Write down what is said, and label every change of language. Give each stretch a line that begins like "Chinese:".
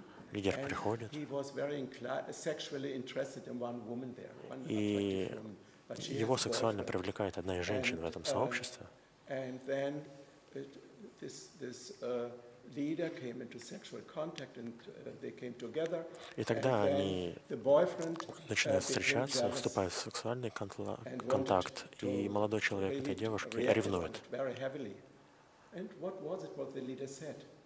Russian: Лидер приходит, и его сексуально привлекает одна из женщин в этом сообществе.
English: And then this leader came into sexual contact and they came together.
Russian: И тогда они начинают встречаться, вступают в сексуальный контакт, и молодой человек этой девушки ревнует.
English: And what was it what the leader said?